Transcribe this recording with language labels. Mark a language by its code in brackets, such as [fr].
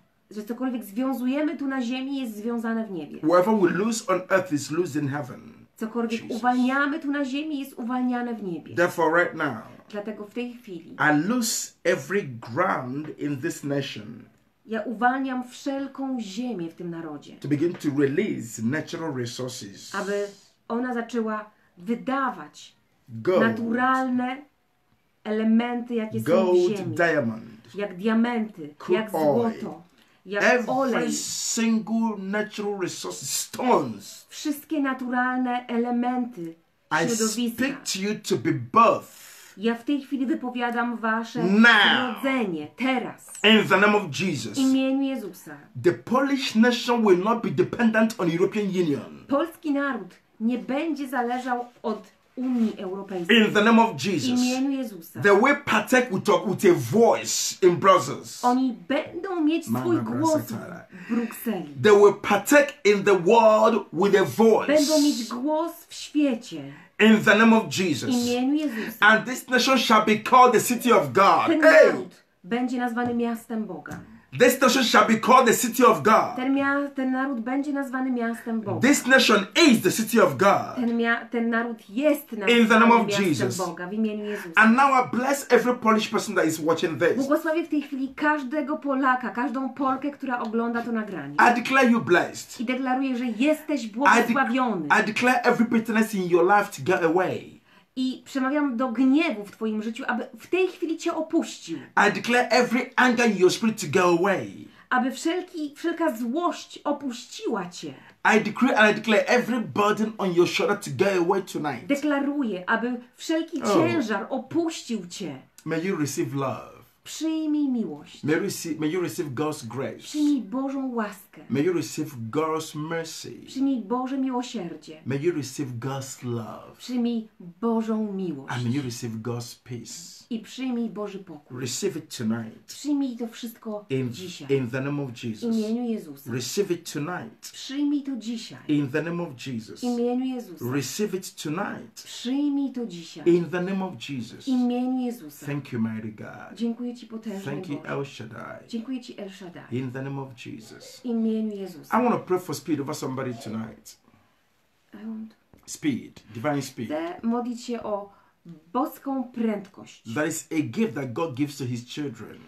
[pl] Że cokolwiek związujemy tu na ziemi, jest związane w niebie. [en] Whatever we lose on earth is loosed in heaven. [pl] Cokolwiek Jesus. Uwalniamy tu na ziemi, jest uwalniane w niebie. [en] Therefore, right now, [pl] dlatego w tej chwili [en] I lose every ground in this nation. [pl] Ja uwalniam wszelką ziemię w tym narodzie. [en] To begin to release natural resources. [pl] Aby ona zaczęła wydawać [en] gold, [pl] naturalne elementy, jakie [en] gold, [pl] są w ziemi. [en] Diamond, [pl] jak diamenty, [en] crude [pl] jak złoto. [en] Oil. [pl] Jak [en] every [pl] olej. [en] Single natural resource, stones. [pl] Wszystkie naturalne elementy, środowiska. [en] I speak to you to be both. [pl] Ja w tej chwili wypowiadam wasze narodzenie teraz. [en] In the name of Jesus. [pl] W imieniu Jezusa. [en] The Polish nation will not be dependent on European Union. [pl] Polski naród nie będzie zależał od Unii Europejskiej. [en] In the name of Jesus. [pl] W imieniu Jezusa. [en] They will partake with a voice in Brussels. [pl] Oni będą mieć swój głos w Brukseli. [en] They will partake in the world with a voice. [pl] Będą mieć głos w świecie. [en] In the name of Jesus. [pl] W imieniu Jezusa. [en] And this nation shall be called the city of God. [pl] Ten naród będzie nazwany miastem Boga. [en] This nation shall be called the city of God. [pl] Ten naród będzie nazwany miastem Boga. [en] This nation is the city of God. [pl] Ten naród jest nazwany miastem Boga. [en] In the name of Jesus. [pl] Boga, w imieniu Jezusa. [en] And now I bless every Polish person that is watching this. [pl] Błogosławię w tej chwili każdego Polaka, każdą Polkę, która ogląda to nagranie. [en] I declare you blessed. [pl] I deklaruję, że jesteś błogosławiony. [en] I declare every bitterness in your life to go away. [pl] I przemawiam do gniewu w twoim życiu, aby w tej chwili cię opuścił. [en] I declare every anger in your spirit to go away. [pl] Aby wszelka złość opuściła cię. [en] I decree and I declare every burden on your shoulder to go away tonight. [pl] Deklaruję, aby wszelki ciężar opuścił cię. [en] May you receive love. [pl] Przyjmij miłość. [en] May you receive God's grace. [pl] Przyjmij Bożą łaskę. [en] May you receive God's mercy. [pl] Przyjmij Boże miłosierdzie. [en] May you receive God's love. [pl] Przyjmij Bożą miłość. [en] And may you receive God's peace. [pl] I przyjmij Boży pokój. [en] Receive it tonight. [pl] Przyjmij to wszystko dzisiaj. [en] In the name of Jesus. [pl] W imieniu Jezusa. [en] Receive it tonight. [pl] Przyjmij to dzisiaj. [en] In the name of Jesus. [pl] W imieniu Jezusa. [en] Receive it tonight. [pl] Przyjmij to dzisiaj. [en] In the name of Jesus. [pl] W imieniu Jezusa. [en] Thank you, mighty God. [pl] Dziękuję Ci, potężny [en] Thank you, El Shaddai. [pl] Dziękuję Ci, El Shaddai. [en] In the name of Jesus. [pl] W imieniu Jezusa. [en] I want to pray for speed over somebody tonight. Speed, divine speed. [pl] Chcę modlić się o boską prędkość. [en] That is a gift that God gives to His children.